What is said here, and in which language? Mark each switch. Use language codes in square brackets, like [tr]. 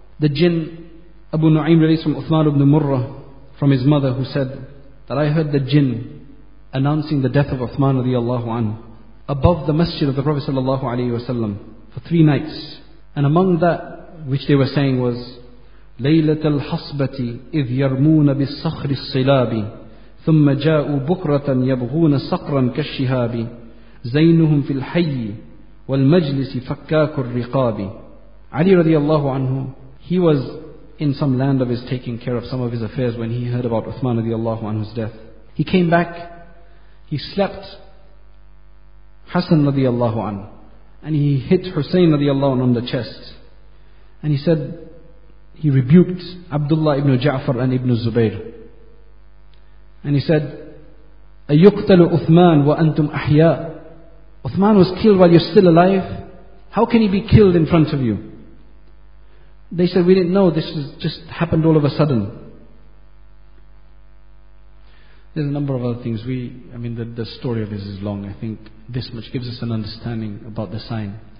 [en] The jinn, Abu Nu'aym relates from Uthman ibn Murrah, from his mother, who said that I heard the jinn announcing the death of Uthman radiallahu anhu above the masjid of the Prophet sallallahu alaihi wasallam for 3 nights. And among that which they were saying was, [ar] Laylatul Hasbati idh yarmuna bis sakhri silabi. ثم جاءوا بكرة يبغون صقرا كالشهاب زينهم في الحي والمجلس فكاك الرقاب. [en] Ali radiallahu anhu, he was in some land of his taking care of some of his affairs when he heard about Uthman radiallahu anhu's death. He came back, he slept Hassan radiallahu anhu, and he hit Hussein radiallahu anhu on the chest, and he said, he rebuked Abdullah ibn Ja'far and ibn Zubayr. And he said, [ar] أَيُقْتَلُ أُثْمَانُ وَأَنْتُمْ أَحْيَاء. [en] Uthman was killed while you're still alive. How can he be killed in front of you? They said, we didn't know. This was just happened all of a sudden. There's a number of other things. The story of this is long. I think this much gives us an understanding about the sign.